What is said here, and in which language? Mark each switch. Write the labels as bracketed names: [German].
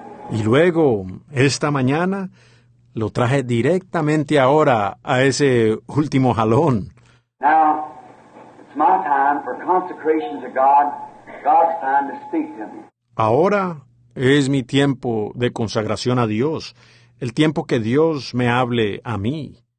[Spanish] Y luego, esta mañana, lo traje directamente ahora a ese último jalón. [English] Now, it's my time for consecration to God. God's time to speak to me. [Spanish] Ahora es mi tiempo de consagración a Dios, el tiempo que Dios me hable a mí.